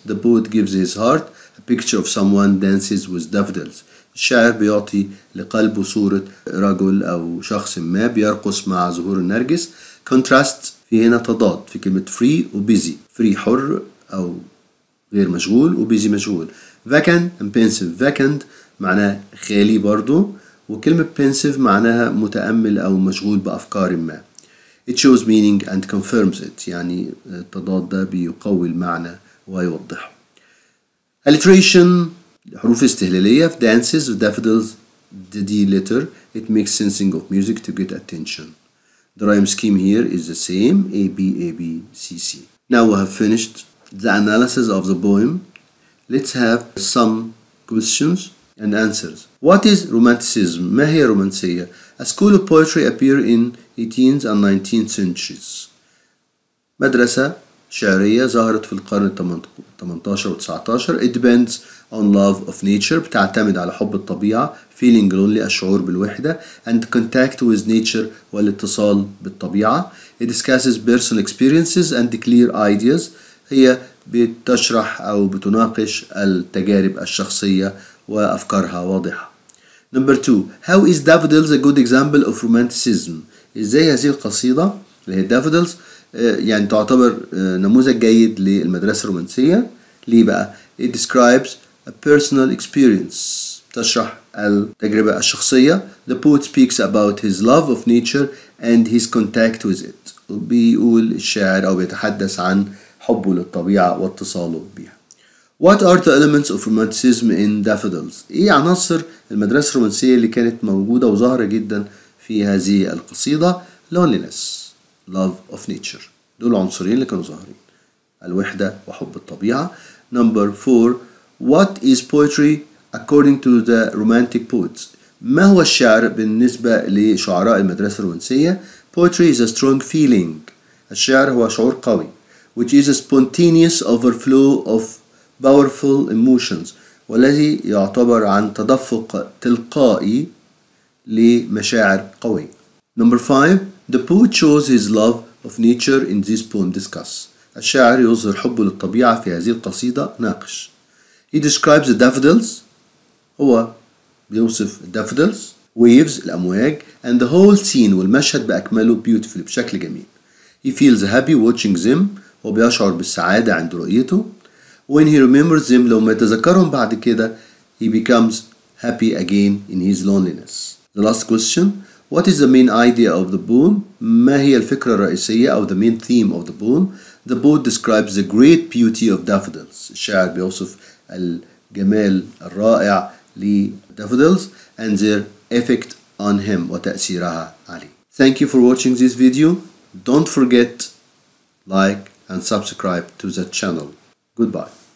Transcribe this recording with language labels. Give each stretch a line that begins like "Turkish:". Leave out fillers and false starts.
English: The poet gives his heart a picture of someone dances with daffodils.
Arabic: الشاعر بيعطي لقلبه صورة رجل أو شخص ما بيرقص مع زهور النرجس. Contrast في هنا تضاد في كلمة free و busy. Free حر أو غير مشغول, و busy مشغول.
English: Vacant and pensive.
Arabic: Vacant معناه خالي برضو, وكلمة pensive معناها متأمل أو مشغول بأفكار ما.
English: It shows meaning and confirms it.
Arabic: يعني التضاد ده بيقوي المعنى ويوضحه. Alliteration, حروف استهلالية.
English: في dances with daffodils the D letter, it makes sensing of music to get attention. The rhyme scheme here is the same A B A B C C. Now we have finished the analysis of the poem. Let's have some questions and answers. What is romanticism?
Arabic: ما هي الرومانسية؟
English: A school of poetry appeared in 18th and 19th centuries.
Arabic: مدرسة شعرية ظهرت في القرن 18 و 19.
English: It depends on love of nature,
Arabic: بتعتمد على حب الطبيعة.
English: Feeling lonely,
Arabic: الشعور بالوحدة.
English: And contact with nature,
Arabic: والاتصال بالطبيعة.
English: It discusses personal experiences and clear ideas.
Arabic: هي بتشرح أو بتناقش التجارب الشخصية وأفكارها واضحة.
English: Number 2. How is daffodils a good example of romanticism?
Arabic: إزاي هذه القصيدة اللي هي daffodils يعني تعتبر نموذج جيد للمدرسة الرومانسية؟ ليه بقى؟
English: It describes a personal experience,
Arabic: تشرح التجربة الشخصية.
English: The poet speaks about his love of nature and his contact with it.
Arabic: بيقول الشاعر أو بيتحدث عن حبه للطبيعة واتصاله بها.
English: What are the elements of romanticism in daffodils?
Arabic: إيه عناصر المدرسة الرومانسية اللي كانت موجودة وظاهرة جدا في هذه القصيدة؟ Loneliness,
English: love of nature.
Arabic: دول عنصرين اللي كانوا ظاهرين، الوحدة وحب الطبيعة.
English: Number four, what is poetry according to the romantic poets؟
Arabic: ما هو الشعر بالنسبة لشعراء المدرسة الرومانسية؟
English: Poetry is a strong feeling.
Arabic: الشعر هو شعور قوي.
English: Which is a spontaneous overflow of powerful emotions.
Arabic: والذي يعتبر عن تدفق تلقائي لمشاعر قوية.
English: Number five, the poet shows his love of nature in this poem discuss.
Arabic: الشاعر يظهر حبه للطبيعة في هذه القصيدة ناقش.
English: He describes the daffodils.
Arabic: هو بيوصف
English: daffodils, waves, الأمواج, and the whole scene,
Arabic: والمشهد بأكمله
English: beautiful
Arabic: بشكل جميل.
English: He feels happy watching them.
Arabic: وبيشعر بالسعادة عند رؤيته.
English: When he remembers them,
Arabic: لما يتذكرهم بعد كده,
English: he becomes happy again in his loneliness. The last question, what is the main idea of the poem?
Arabic: ما هي الفكرة الرئيسية أو
English: the main theme of the poem? The poet describes the great beauty of daffodils.
Arabic: الشاعر بيوصف الجمال الرائع لdaffodils
English: and their effect on him
Arabic: وتأثيرها عليه.
English: Thank you for watching this video. Don't forget like and subscribe to the channel. Goodbye.